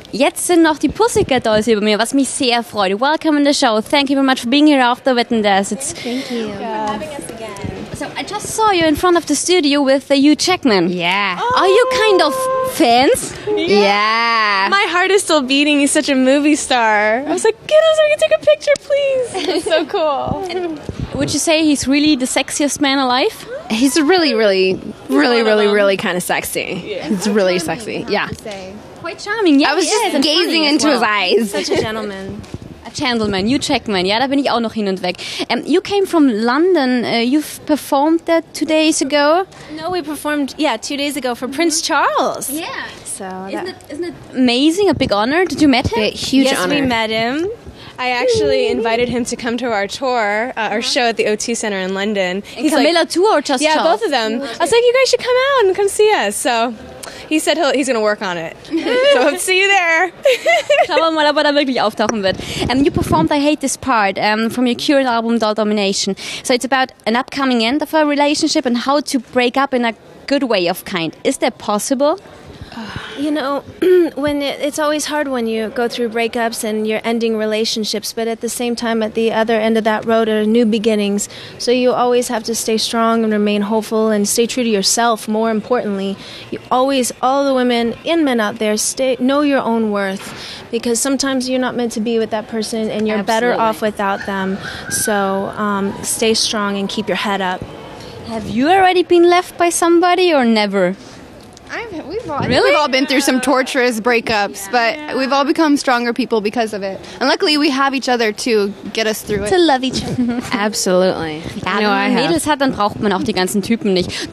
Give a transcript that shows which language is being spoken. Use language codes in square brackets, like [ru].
[de] Jetzt sind noch die Pussycat Dolls hier bei mir, was mich sehr freut. [en] Welcome in the show. Thank you very much for being here after Wetten, das. Thank you. Thank you. Thank you for having us again. So I just saw you in front of the studio with the Hugh Jackman. Yeah. Oh. Are you kind of fans? Yeah. My heart is still beating. He's such a movie star. I was like, get us, I can take a picture, please. It's so cool. Would you say he's really the sexiest man alive? He's really, really, really, really, really kind of sexy. Yeah. He's really sexy. I have to say. Quite charming. Yeah. I was just gazing into his eyes. Such a gentleman. Gentleman, you check man. [de] Yeah, da bin ich auch noch hin und weg. [en] You came from London. You've performed that 2 days ago. No, we performed 2 days ago for mm-hmm. Prince Charles. Yeah. So isn't it amazing? A big honor. Did you meet him? Yeah, huge yes, honor. Yes, we met him. I actually invited him to come to our tour, our show at the O2 Center in London. And he's Camilla like, too, or just yeah, Charles? Both of them. I was like, you guys should come out and come see us. So. He said he's going to work on it. So I'll see you there. [de] Schauen wir mal, ob er da wirklich auftauchen wird. [en] You performed I Hate This Part from your current album Doll Domination. So it's about an upcoming end of a relationship and how to break up in a good way of kind. Is that possible? You know, when it's always hard when you go through breakups and you're ending relationships, but at the same time, at the other end of that road are new beginnings. So you always have to stay strong and remain hopeful and stay true to yourself, more importantly. You always, all the women and men out there, know your own worth, because sometimes you're not meant to be with that person and you're Absolutely. Better off without them. So stay strong and keep your head up. Have you already been left by somebody or never? We've all been through some torturous breakups, but we've all become stronger people because of it. And luckily, we have each other to get us through it. To love each other. Absolutely. [de] Ja, no, wenn man Mädels hat, dann braucht man auch die ganzen Typen nicht.